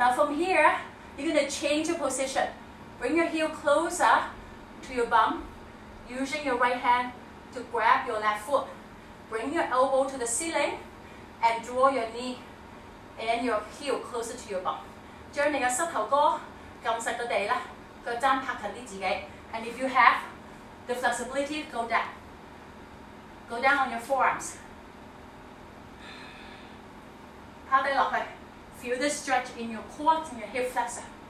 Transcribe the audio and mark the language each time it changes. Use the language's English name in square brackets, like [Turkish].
[English] Now from here, you're gonna change your position. Bring your heel closer to your bum, using your right hand to grab your left foot. Bring your elbow to the ceiling and draw your knee and your heel closer to your bum. [Cantonese] 將你嘅膝頭哥撳實個地啦。 [English] And if you have the flexibility, go down. Go down on your forearms. [Cantonese] 趴低落去, [English] feel the stretch in your quads and your hip flexor.